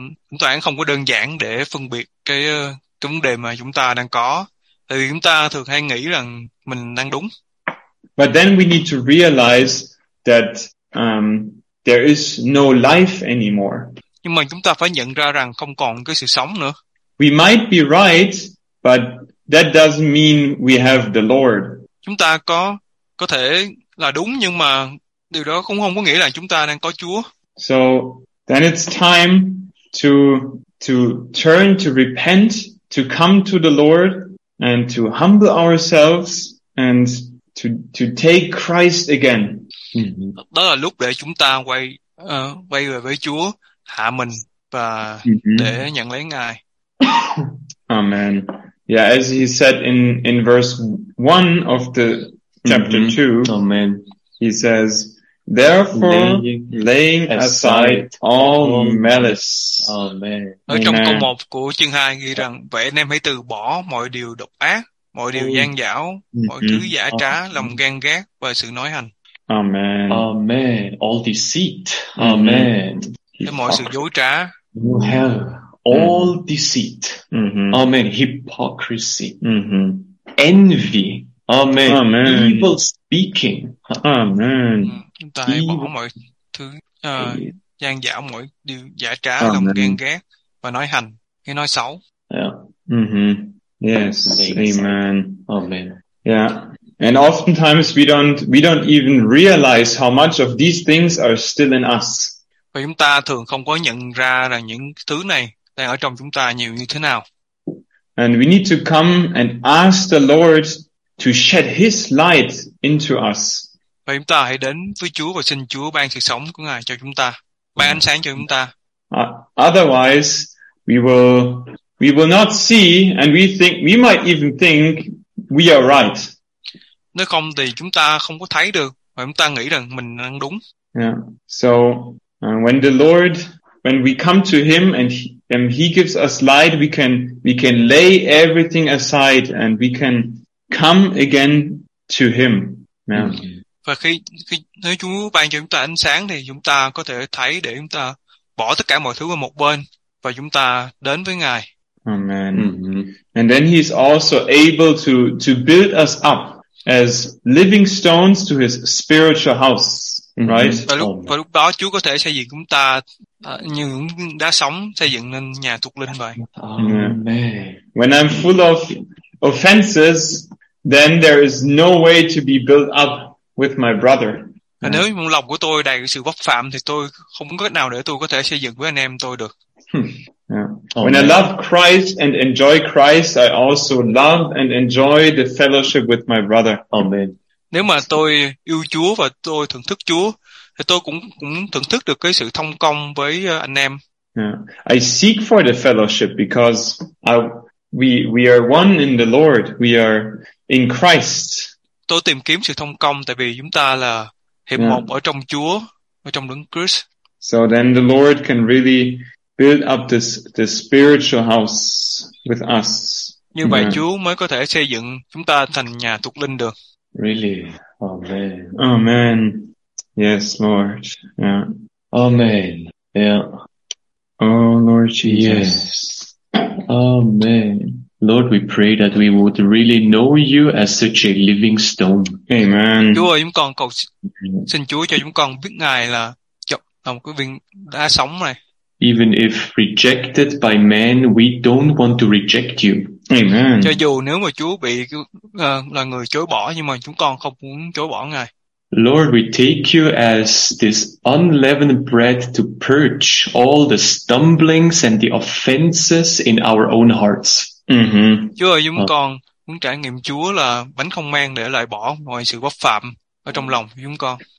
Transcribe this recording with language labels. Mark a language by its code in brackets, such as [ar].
[vi] Chúng ta không có đơn giản để phân biệt cái vấn đề mà chúng ta đang có. Thì chúng ta thường hay nghĩ rằng mình đang đúng. [en] But then we need to realize that there is no life anymore. [vi] Nhưng mà chúng ta phải nhận ra rằng không còn cái sự sống nữa. [en] We might be right, but that doesn't mean we have the Lord. [vi] chúng ta có thể là đúng, nhưng mà điều đó cũng không có nghĩa là chúng ta đang có Chúa. [en] So then it's time to turn, to repent, to come to the Lord and to humble ourselves and to take Christ again. [vi] Đó là lúc để chúng ta quay về với Chúa, hạ mình và để nhận lấy Ngài. [en] Amen. Yeah, as he said in verse 1 of the chapter 2. Amen. He says, therefore laying aside all malice. Amen. [vi] Ở trong câu 1 của chương 2 ghi rằng vậy anh em hãy từ bỏ mọi điều độc ác, mọi điều gian dảo, mọi thứ giả trá, lòng gan ghét và sự nói hành. [en] Amen. Amen. All deceit. Amen. [vi] Mọi sự dối trá. [en] All deceit. Amen. Hypocrisy. Envy. Amen. Amen. Evil speaking. Amen. [vi] Chúng ta hãy bỏ mọi thứ gian dảo, mọi điều giả trá, lòng ghen ghét và nói hành, hay nói xấu. [en] Yeah. Yes. Amen. Amen. Yeah. And oftentimes we don't even realize how much of these things are still in us. [vi] Và chúng ta thường không có nhận ra rằng những thứ này đang ở trong chúng ta nhiều như thế nào. [en] And we need to come and ask the Lord to shed his light into us. [vi] Và chúng ta hãy đến với Chúa và xin Chúa ban sự sống của Ngài cho chúng ta, ban ánh sáng cho chúng ta. [en] Otherwise, we will not see, and we might even think we are right. [vi] Nếu không thì chúng ta không có thấy được và chúng ta nghĩ rằng mình đang đúng. [en] Yeah. So when we come to him and he gives us light, we can lay everything aside and we can come again to him. Yeah. [vi] Và khi nếu Chúa ban cho chúng ta ánh sáng thì chúng ta có thể thấy để chúng ta bỏ tất cả mọi thứ qua một bên và chúng ta đến với Ngài. [en] Amen. And then he's also able to build us up as living stones to his spiritual house, right? [vi] Và lúc đó Chúa có thể xây dựng chúng ta như đá sống, xây dựng nên nhà thuộc linh vậy. [en] Amen. When I'm full of offenses, then there is no way to be built up with my brother. [vi] Và nếu một lòng của tôi đầy sự vấp phạm thì tôi không có cách nào để tôi có thể xây dựng với anh em tôi được. [en] Yeah. When I love Christ and enjoy Christ, I also love and enjoy the fellowship with my brother. Amen. [vi] Nếu mà tôi yêu Chúa và tôi thưởng thức Chúa, thì tôi cũng thưởng thức được cái sự thông công với anh em. [en] Yeah. I seek for the fellowship because we are one in the Lord. We are in Christ. [vi] Tôi tìm kiếm sự thông công tại vì chúng ta là hiệp một ở trong Chúa, ở trong Đấng Christ. [en] So then the Lord can really build up this spiritual house with us. [vi] Như vậy Chúa mới có thể xây dựng chúng ta thành nhà thuộc linh được. [en] Really? Amen. Amen. Yes, Lord. Yeah. Amen. Yeah. Oh, Lord Jesus. Yes. Amen. Lord, we pray that we would really know you as such a living stone. Amen. [vi] Chúa ơi, chúng con cầu xin Chúa cho chúng con biết Ngài là một cái viên đá sống này. [en] Even if rejected by men, we don't want to reject you. Amen. [vi] Cho dù nếu mà Chúa bị là người chối bỏ, nhưng mà chúng con không muốn chối bỏ Ngài. [en] Lord, we take you as this unleavened bread to purge all the stumblings and the offenses in our own hearts. [vi] Chúa ơi, chúng con muốn trải nghiệm Chúa là bánh không men để loại bỏ mọi sự vấp phạm ở trong lòng chúng con.